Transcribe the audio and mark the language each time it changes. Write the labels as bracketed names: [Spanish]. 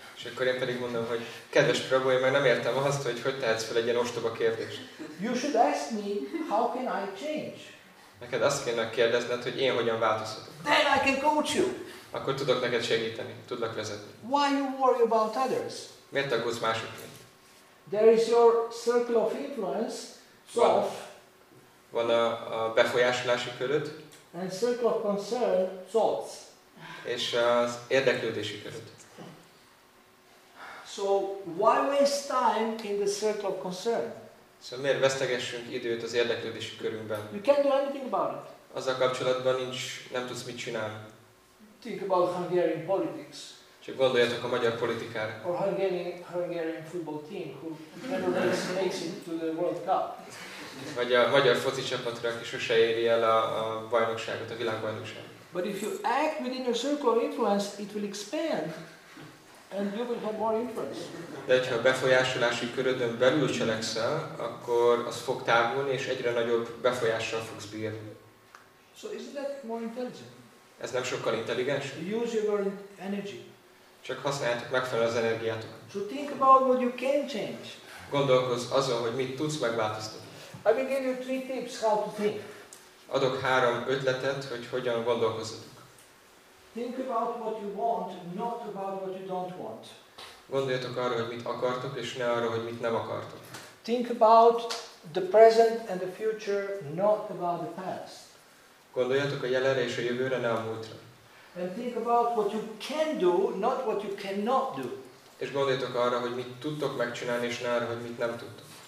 [Hungarian] És akkor én pedig mondom, hogy kedves Prabhu, én már nem értem azt, hogy tehetsz fel egy ilyen ostoba kérdést. [English] You should ask me how can I change. [Hungarian] Neked azt kéne kérdezned, hogy én hogyan változhatok. [English] Then I can coach you. [Hungarian] Akkor tudok neked segíteni, tudlak vezetni. [English] Why you worry about others? [Hungarian] Miért aggódsz másokért? [English] There is your circle of influence. Soft. [Hungarian] Van a befolyásolási köröd. [English] And circle of concern, thoughts. [Hungarian] És az érdeklődési köröd. [English] So why waste time in the circle of concern? [Hungarian] Szóval miért vesztegessünk időt az érdeklődési körünkben? [English] You can't do anything about it. [Hungarian] Azzal kapcsolatban nincs, nem tudsz mit csinálni. [English] Think about Hungarian politics. [Hungarian] Csak gondoljatok a magyar politikára. [English] Or Hungarian football team who never makes it to the World Cup. [Hungarian] Vagy a magyar foci csapatra, aki sose éri el a bajnokságot, a világbajnokságot. [English] But if you act within your circle of influence, it will expand, and you will have more influence. [Hungarian] De hogyha a befolyásolási körödön belül cselekszel, akkor az fog távolni, és egyre nagyobb befolyással fogsz bírni. [English] So isn't that more intelligent? [Hungarian] Ez nem sokkal intelligens? [English] Use your energy. [Hungarian] Csak használjátok megfelelő az energiátokat. [English] So think about what you can change. [Hungarian] Gondolkozz azon, hogy mit tudsz megváltoztatni. [English] I will give you three tips how to think. [Hungarian] Adok három ötletet, hogy hogyan gondolkozzatok. [English] Think about what you want, not about what you don't want. [Hungarian] Gondoljatok arra, hogy mit akartok, és ne arra, hogy mit nem akartok. [English] Think about the present and the future, not about the past. [Hungarian] Gondoljatok a jelenre és a jövőre, ne a múltra. [English] And think about what you can do, not what you cannot do. [Hungarian] És gondoljatok arra, hogy mit tudtok megcsinálni, és ne arra, hogy mit nem tudtok.